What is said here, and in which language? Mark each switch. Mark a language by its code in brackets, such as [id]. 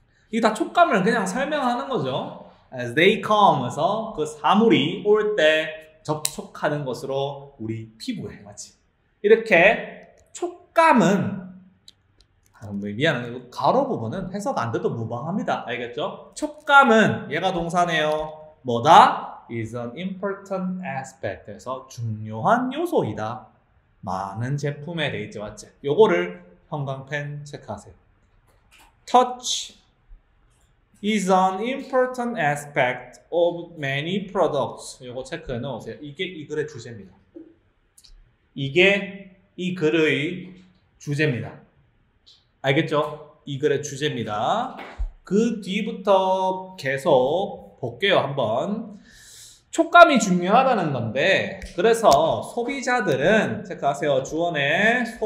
[ko] 이게 다 촉감을 그냥 설명하는 거죠. [en] As they come, [ko] 에서 그 사물이 올 때 접촉하는 것으로 우리 피부에 맞지. 이렇게 촉감은 미안해, 가로 부분은 해석 안 돼도 무방합니다. 알겠죠? 촉감은 얘가 동사네요. 뭐다? [en] Is an important aspect,에서 [ko] 중요한 요소이다. 많은 제품에 돼 있지 맞지? 요거를 형광펜 체크하세요. [en] Touch. Is an important aspect of many products. [ko] 이거 체크해 놓으세요. 이게 이 글의 주제입니다. 이게 이 글의 주제입니다. 알겠죠? 이 글의 주제입니다. 그 뒤부터 계속 볼게요. 한번. 촉감이 중요하다는 건데, 그래서 소비자들은 체크하세요. 주어네.